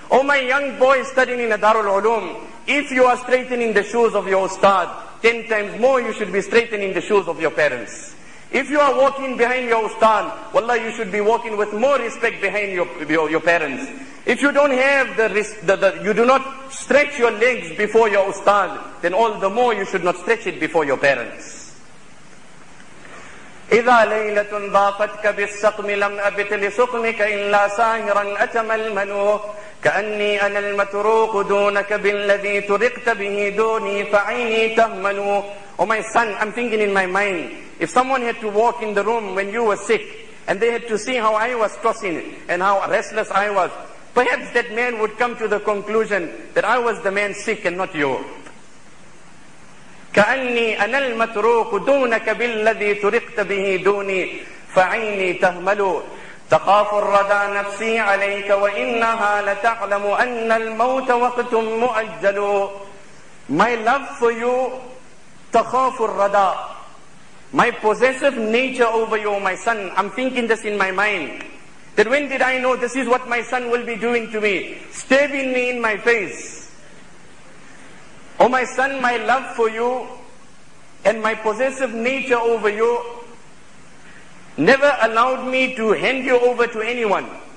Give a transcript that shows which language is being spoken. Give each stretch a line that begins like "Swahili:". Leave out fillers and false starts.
English: Oh my young boy studying in a Darul Uloom, if you are straightening the shoes of your ustad, 10 times more you should be straightening the shoes of your parents. If you are walking behind your ustad, wallah, you should be walking with more respect behind your parents. If you don't have you do not stretch your legs before your ustad, then all the more you should not stretch it before your parents.
Arabic: إذا ليلة ضافتك بالسقم لم أبت لسقمك إلا ساهرا أتململ كأني أنا المتروك دونك بالذي ترقت به دوني فعيني تهمل.
English: Oh my son, I'm thinking in my mind, if someone had to walk in the room when you were sick and they had to see how I was tossing and how restless I was, perhaps that man would come to the conclusion that I was the man sick and not you.
Arabic: كأني أنا المتروك دونك بالذي ترقت به دوني فعيني تهمل تخاف الردى نفسي عليك وإنها لتعلم أن الموت وقت مؤجل.
English: My love for you,
Arabic: تخاف الردى.
English: My possessive nature over you, my son. I'm thinking this in my mind. That when did I know this is what my son will be doing to me? Stabbing me in my face. Oh my son, my love for you and my possessive nature over you never allowed me to hand you over to anyone.